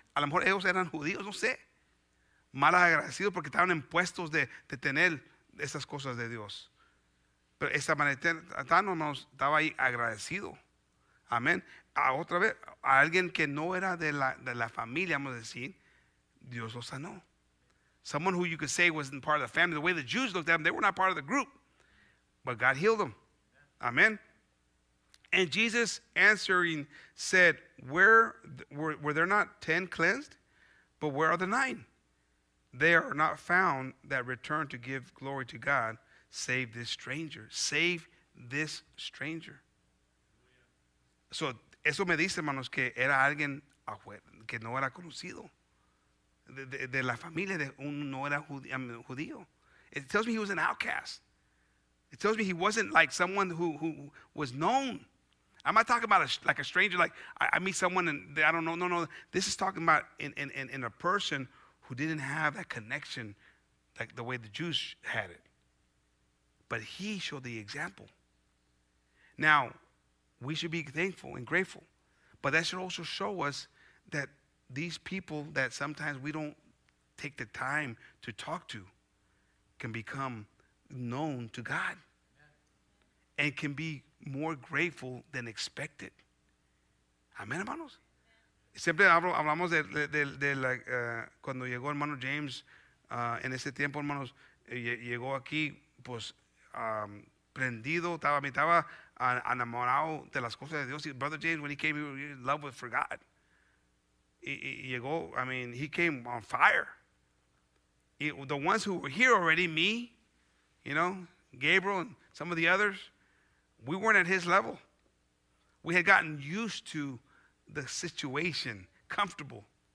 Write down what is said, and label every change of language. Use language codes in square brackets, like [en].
[es] A lo mejor ellos eran judíos, no sé. Mal agradecidos porque estaban en puestos de tener esas cosas de Dios. Pero el samaritano, hermanos, estaba ahí agradecido. Amén. A otra vez, a alguien que no era de la familia, vamos a decir, Dios lo sanó. [en] Someone who you could say wasn't part of the family, the way the Jews looked at them, they were not part of the group. But God healed them. Amen. And Jesus answering said, were there not 10 cleansed? But where are the 9? They are not found that return to give glory to God, save this stranger. Save this stranger. [es] So, eso me dice, hermanos, que era alguien que no era conocido. De la familia de un no era judío. [en] It tells me he was an outcast. It tells me he wasn't like someone who was known. I'm not talking about a stranger, like I meet someone and I don't know. No. This is talking about in a person who didn't have that connection like the way the Jews had it. But he showed the example. Now, we should be thankful and grateful. But that should also show us that these people that sometimes we don't take the time to talk to can become known to God and can be more grateful than expected. [es] Amen, hermanos. Siempre hablamos de la cuando llegó hermano James en ese tiempo, hermanos, llegó aquí, pues, prendido, estaba enamorado de las cosas de Dios. [en] Brother James, when he came, he was in love with for God. He came on fire. The ones who were here already, me, you know, Gabriel and some of the others, we weren't at his level. We had gotten used to the situation, comfortable.